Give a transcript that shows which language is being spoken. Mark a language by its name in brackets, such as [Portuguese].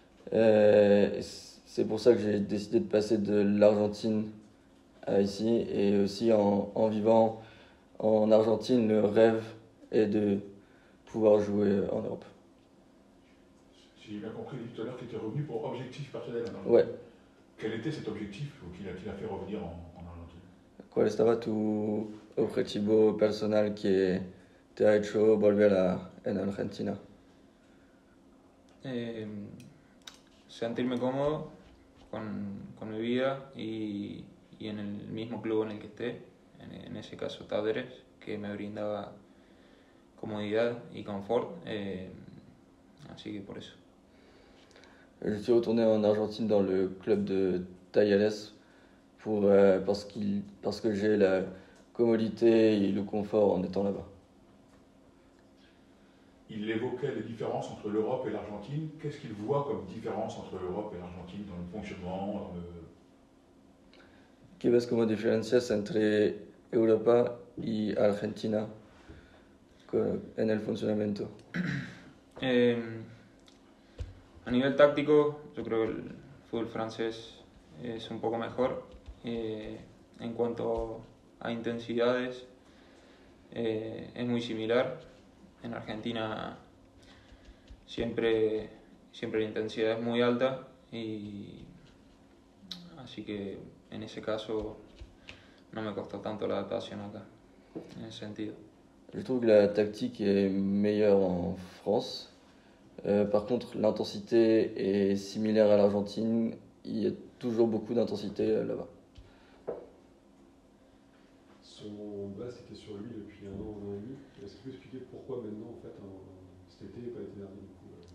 [French] C'est pour ça que j'ai décidé de passer de l'Argentine à ici. Et aussi en vivant en Argentine, le rêve est de pouvoir jouer en Europe. Si j'ai bien compris tout à l'heure, tu étais revenu pour objectif personnel. Ouais. Quel était cet objectif qu'il a fait revenir en Argentine? [Spanish] ¿Cuál estaba tu objetivo personal que te ha hecho volver en Argentina? Sentirme cómodo con mi vida y en el mismo club en el que esté, en ese caso Talleres, que me brindaba comodidad y confort, así que por eso. [French] Je suis retourné en Argentine dans le club de Talleres parce que j'ai la commodité et le confort en étant là-bas. Il évoquait les différences entre l'Europe et l'Argentine. Qu'est-ce qu'il voit comme différence entre l'Europe et l'Argentine dans le fonctionnement? [Spanish] ¿Qué ves como diferencias entre Europa y Argentina en el funcionamiento? A nivel táctico, yo creo que el fútbol francés es un poco mejor. En cuanto a intensidades, es muy similar. En Argentina siempre la intensidad es muy alta, y así que en ese caso no me costó tanto la adaptación acá, en ese sentido. [French] Je trouve que la tactique est meilleure en France. Par contre, l'intensité est similaire à l'Argentine. Il y a toujours beaucoup d'intensité là-bas. Son base était sur lui depuis un an, un an et demi. Est-ce que tu peux expliquer pourquoi maintenant, en fait, cet été et pas l'été dernier, du coup,